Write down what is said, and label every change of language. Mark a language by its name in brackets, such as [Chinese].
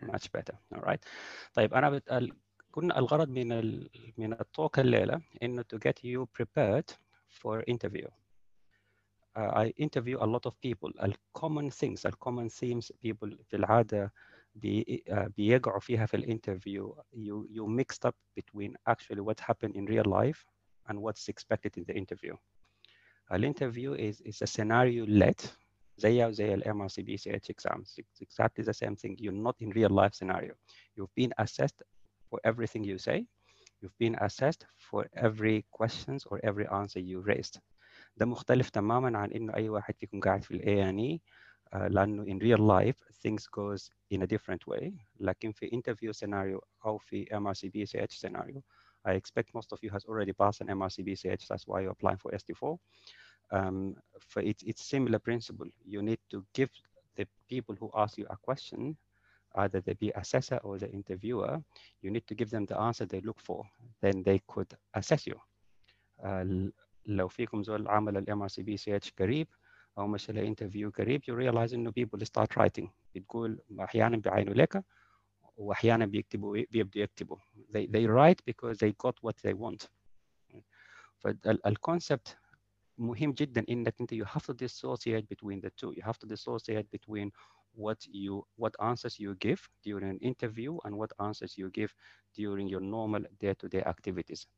[English] Much better. All right. [Arabic] طيب انا كنا الغرض من التوك الليله انه [English] to get you prepared for interview. I interview a lot of people. The common themes people [Arabic] في العادة بيقعوا فيها في الانترفيو. [English] You mixed up between actually what happened in real life and what's expected in the interview. الانترفيو is a scenario led زي MRCBCH exams. It's exactly the same thing. You're not in real life scenario. You've been assessed for everything you say. You've been assessed for every questions or every answer you raised. [Arabic] ده مختلف تماما عن انه اي واحد فيكم قاعد في الاي ان اي, لانه [English] in real life things goes in a different way. [Arabic] لكن في [English] interview scenario او في MRCBCH scenario, I expect most of you has already passed an MRCBCH, that's why you're applying for ST4. For it's similar principle. You need to give the people who ask you a question, either they be assessor or the interviewer, you need to give them the answer they look for, then they could assess you. [Arabic] لو فيكم زول عمل الـ MRCBCH قريب أو مثلا interview قريب, [English] you realize [Arabic] إنه [English] people start writing. [Arabic] بتقول أحيانا بعينوا لك وأحيانا بيكتبوا بيبدوا يكتبوا. [English] They write because they got what they want. فالـ concept [Arabic] مهم جدا إنك أنت [English] you have to dissociate between the two. You have to dissociate between what answers you give during an interview and what answers you give during your normal day-to-day activities.